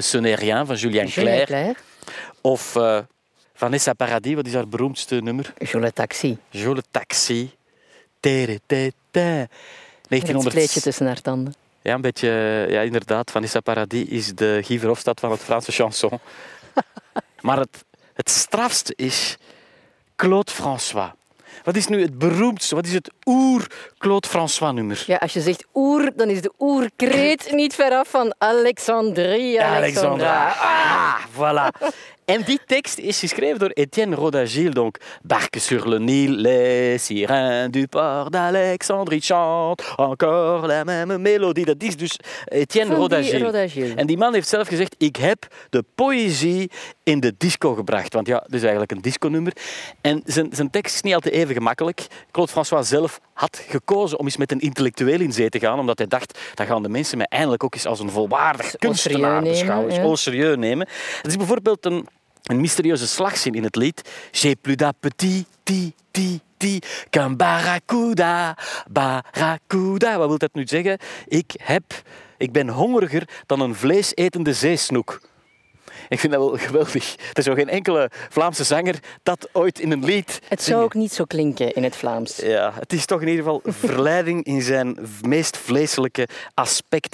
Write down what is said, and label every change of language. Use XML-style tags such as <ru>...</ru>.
<fr>Ce n'est rien, van Julien Clerc.</fr> <nl>Of Vanessa Paradis, wat is haar beroemdste nummer?</nl> <fr>Je le taxi. Tere, tere, tere. 1900...</fr> <nl>Het kleedje tussen haar tanden. Ja, een beetje. Ja, inderdaad. Vanessa Paradis is de Guy Verhofstadt van het Franse chanson. Maar het strafste is Claude François. Wat is nu het beroemdste? Wat is het oer-Claude François-nummer? Ja, als je zegt oer, dan is de oerkreet niet veraf van Alexandra. Ah, voilà. En die tekst is geschreven door Etienne Rodagil.</nl> <fr>Donc, Barque sur le Nil, les sirènes du port d'Alexandrie chantent encore la même mélodie.</fr> <nl>Dat is dus Etienne Rodagil. En die man heeft zelf gezegd, ik heb de poëzie in de disco gebracht. Want ja, dat is eigenlijk een disco-nummer. En zijn tekst is niet altijd even gemakkelijk. Claude François zelf had gekozen om eens met een intellectueel in zee te gaan, omdat hij dacht, dan gaan de mensen mij eindelijk ook eens als een volwaardig kunstenaar beschouwen. Ja. Serieus nemen. Het is bijvoorbeeld een mysterieuze slagzin in het lied.</nl> <fr>J'ai plus d'appetit, ti, qu'un barracuda, barracuda.</fr> <nl>Wat wil dat nu zeggen? Ik ben hongeriger dan een vleesetende zeesnoek. Ik vind dat wel geweldig. Er zou geen enkele Vlaamse zanger dat ooit in een lied zingen. Het zou ook niet zo klinken in het Vlaams. Ja, het is toch in ieder geval verleiding in zijn meest vleeselijke aspect.</nl>